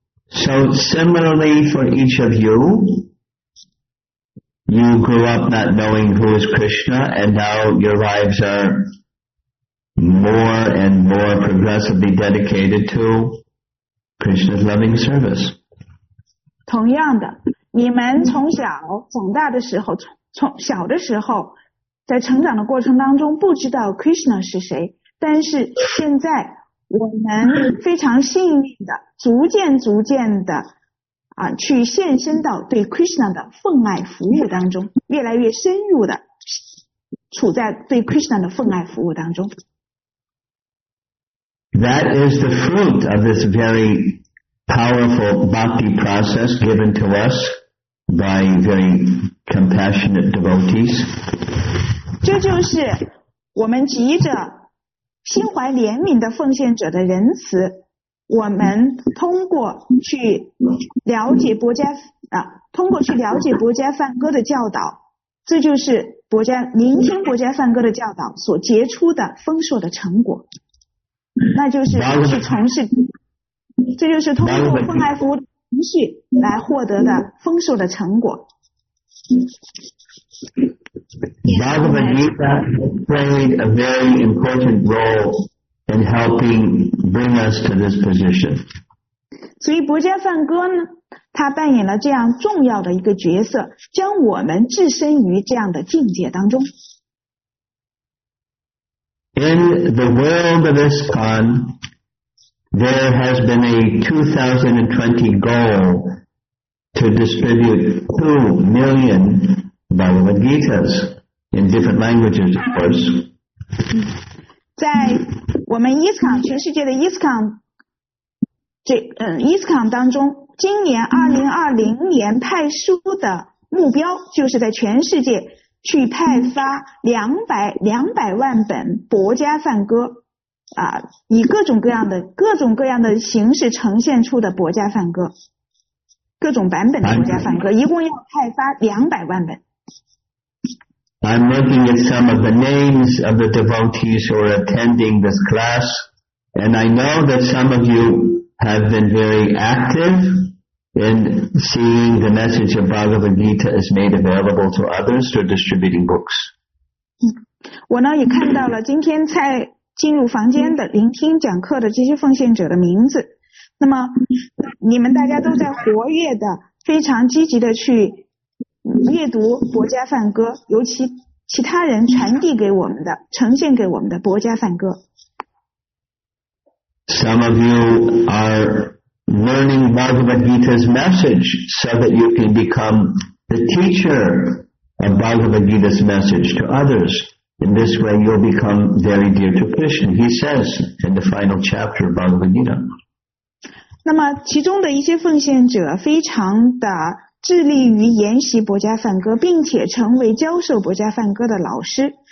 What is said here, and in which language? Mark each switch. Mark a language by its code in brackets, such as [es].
[en] So similarly for each of you, you grew up not knowing who is Krishna, and now your lives are more and more progressively dedicated to. Krishna's loving service. [zh] 同样的，你们从小长大的时候，从小的时候在成长的过程当中不知道 Krishna 是谁，但是现在我们非常幸运的逐渐逐渐的啊，去献身到对 Krishna 的奉爱服务当中，越来越深入的处在对 Krishna 的奉爱服务当中。 [en] That is the fruit of this very powerful bhakti process given to us by very compassionate devotees. [zh] 这就是我们急着心怀怜悯的奉献者的仁慈，我们通过去了解薄伽啊，通过去了解薄伽梵歌的教导，这就是薄伽聆听薄伽梵歌的教导所结出的丰硕的成果。那就是去从事，这就是通过奉爱服务程序来获得的丰硕的成果。 [en] Bhagavad Gita played a very important role in helping bring us to this position. [zh] 所以薄伽梵歌呢，它扮演了这样重要的一个角色，将我们置身于这样的境界当中。 [en] In the world of ISKCON, there has been a 2020 goal to distribute 2 million Bhagavad Gitas in different languages, of course. [zh] 在我们 ISKCON, 全世界的 ISKCON, ISKCON 当中，今年2020年派书的目标就是在全世界去派发200万本薄伽梵歌啊，以各种各样的形式呈现出的薄伽梵歌，各种版本的薄伽梵歌，一共要派发200万本。 [en] I'm looking at some of the names of the devotees who are attending this class, and I know that some of you have been very active in seeing the message of Bhagavad Gita is made available to others through distributing books. [zh] 我呢也看到了今天在进入房间的聆听讲课的这些奉献者的名字。那么你们大家都在活跃的非常积极的去阅读薄伽梵歌，尤其其他人传递给我们的呈现给我们的薄伽梵歌。 [en] Some of you are learning Bhagavad Gita's message so that you can become the teacher of Bhagavad Gita's message to others. In this way, you'll become very dear to Krishna, he says in the final chapter of Bhagavad Gita. [zh] 那么其中的一些奉献者非常的致力于研习薄伽梵歌，并且成为教授薄伽梵歌的老师。